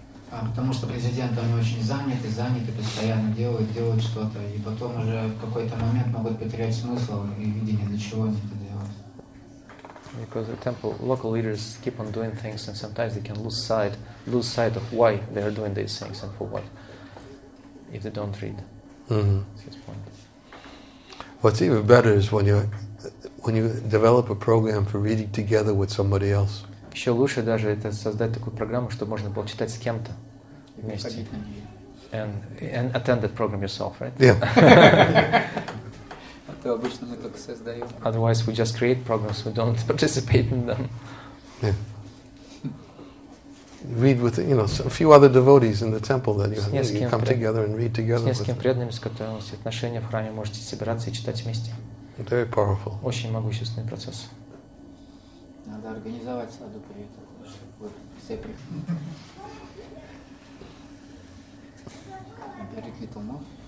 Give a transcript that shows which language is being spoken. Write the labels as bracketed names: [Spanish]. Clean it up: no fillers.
[Russian] Потому что президенты, они очень заняты, постоянно делают что-то, и потом уже в какой-то момент могут потерять смысл и видение, для чего они это делают. [English] Because the temple local leaders keep on doing things, and sometimes they can lose sight of why they are doing these things and for what, if they don't read. Mm-hmm. What's even better is when you develop a program for reading together with somebody else. [Russian] Еще лучше даже это создать такую программу, чтобы можно было читать с кем-то вместе. [English] And attend that program yourself, right? Yeah. [Russian] А то обычно мы только создаем. [English] Otherwise we just create programs, we don't participate in them. Yeah. Read with, you know, a few other devotees in the temple, then you come together and read together. [Russian] С несколькими преданными, с которыми у вас отношения в храме, можете собираться и читать вместе. [English] Very powerful. [Russian] Очень могущественный процесс. Надо организовать саду при этом, чтобы все приходили. Берег Little Mouth.